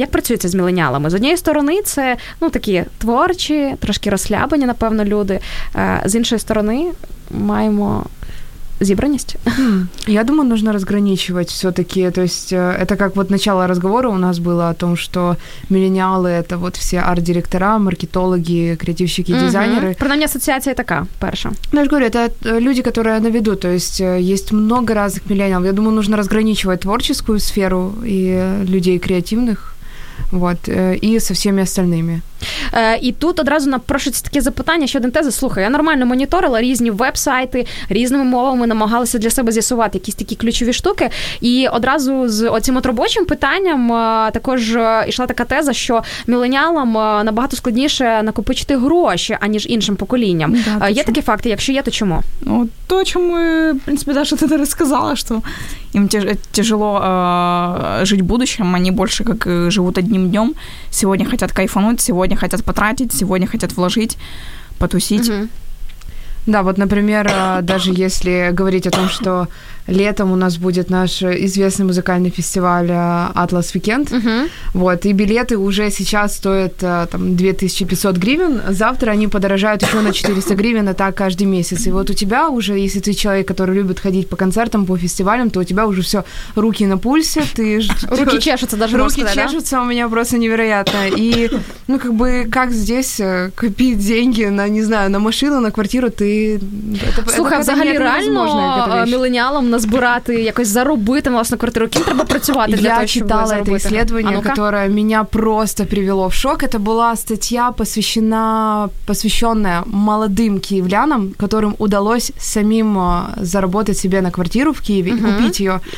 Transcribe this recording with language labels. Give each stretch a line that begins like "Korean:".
Ukrainian: Як працюється з міленіалами? З однієї сторони, це, ну, такі творчі, трошки розслаблені, напевно, люди. З іншої сторони, маємо зібраність.
Russian: Я думаю, нужно разграничивать все-таки. То есть это как вот начало разговора у нас было о том, что миллениалы — это вот все арт-директора, маркетологи, креативщики, дизайнеры. Принаймні, ассоциация такая, перша. Ну, я же говорю, это люди, которые на виду. То есть есть много разных миллениалов. Я думаю, нужно разграничивать творческую сферу и людей креативных.
Ukrainian: Вот, і со всіми остальними. І тут одразу напрошується таке запитання, ще один тезис. Слухай, я нормально моніторила різні веб-сайти, різними мовами намагалася для себе з'ясувати якісь такі ключові штуки. І одразу з оцим от робочим питанням також йшла така теза, що міленіалам набагато складніше накопичити гроші, аніж іншим поколінням. Да, є такі факти? Якщо є, то чому? Ну, то, чому, в принципі, Даша, ти зараз сказала, що їм тяжело жити в будущем, вони більше, як живуть одні днем.
Russian: Сегодня хотят кайфануть, сегодня хотят потратить, сегодня хотят вложить, потусить. Да, вот, например, даже если говорить о том, что летом у нас будет наш известный музыкальный фестиваль Atlas Weekend, вот, и билеты уже сейчас стоят там 2500 гривен, завтра они подорожают еще на 400 гривен, а так каждый месяц. И вот у тебя уже, если ты человек, который любит ходить по концертам, по фестивалям, то у тебя уже все, руки на пульсе, ты руки чешутся даже, руки сказать, чешутся, да? У меня просто невероятно. И, ну, как бы, как здесь копить деньги на, не знаю, на машину, на квартиру, ты...
Ukrainian: Слухай, взагалі реально миллениалы назбирати, якось заробити, власне, квартиру. Ким треба працювати для того, щоб заробити? Я читала це дослідження, яке мене просто привело в шок. Це була стаття, посвящена молодим київлянам, яким удалось самим заробити собі на квартиру в Києві і купити її.